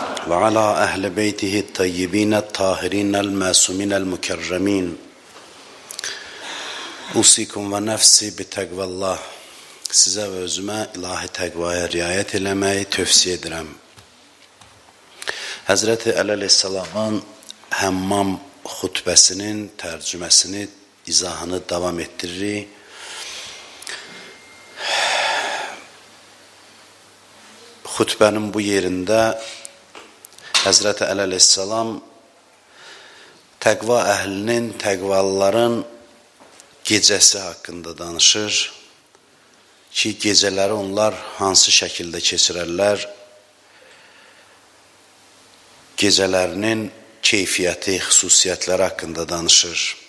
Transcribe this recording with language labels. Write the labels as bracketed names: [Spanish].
[Arabic] وعلى أهل بيته الطيبين الطاهرين المعصومين المكرمين أوصيكم ونفسي بتقوى الله [Azerbaijani] size ve özüme ilahi takvaya riayet etmeyi tövsiye ederim. [Turkish] Hazreti Ali Aleyhisselam'ın Hammam hutbesinin tercümesini izahını devam ettirir. [Azerbaijani] Hutbenin bu yerinde Hazreti Ali Aleyhisselam təqva əhlinin, təqvalıların gecəsi haqqında danışır ki, gecələri onlar hansı şəkildə keçirərlər, gecələrinin keyfiyyəti, xüsusiyyətləri haqqında danışır.